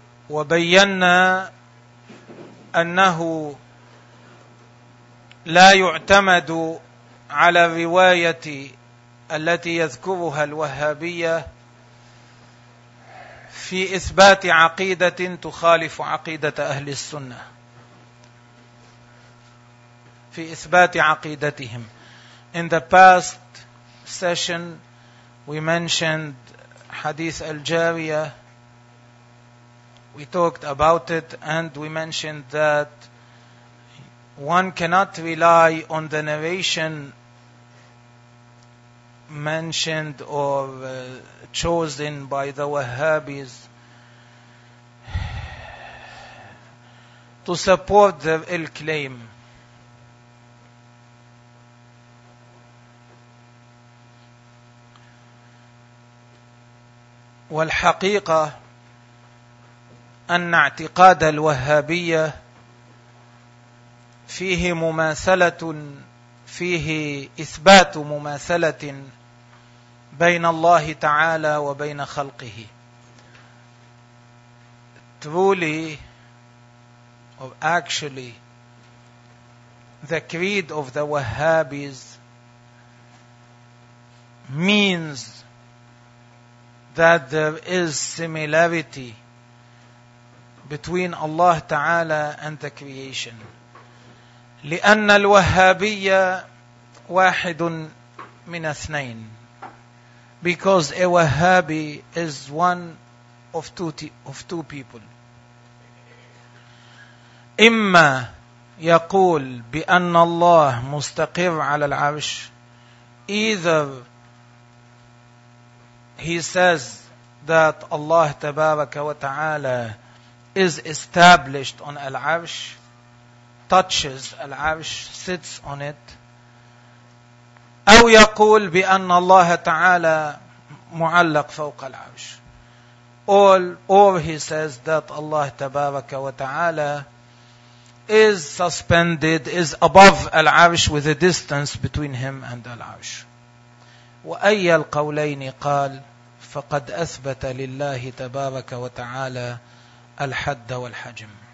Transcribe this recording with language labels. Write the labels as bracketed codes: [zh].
[ar] وبينا أنه لا يعتمد على الرواية التي يذكرها الوهابية في إثبات عقيدة تخالف عقيدة أهل السنة، في إثبات عقيدتهم. [en] In the past session we mentioned حديث الجارية. We talked about it and we mentioned that one cannot rely on the narration mentioned or chosen by the Wahhabis to support their ill claim. [ar] والحقيقة أن اعتقاد الوهابية فيه مماثلة، فيه إثبات مماثلة بين الله تعالى وبين خلقه. [en] Truly or actually the creed of the Wahhabis means that there is similarity between Allah Ta'ala and the creation. [ar] لأن الوهابية واحد من اثنين. [en] Because a Wahhabi is one of two people. [ar] إما يقول بأن الله مستقر على العرش. [en] Either he says that Allah Tabaraka wa Ta'ala is established on Al-Arsh, touches Al-Arsh, sits on it. [ar] أو يقول بأن الله تعالى معلق فوق العرش. [en] Or he says that Allah Tabaraka wa Ta'ala is suspended, is above Al-Arsh with a distance between him and Al-Arsh. [ar] وأي القولين قال فقد أثبت لله تبارك وتعالى الحد والحجم.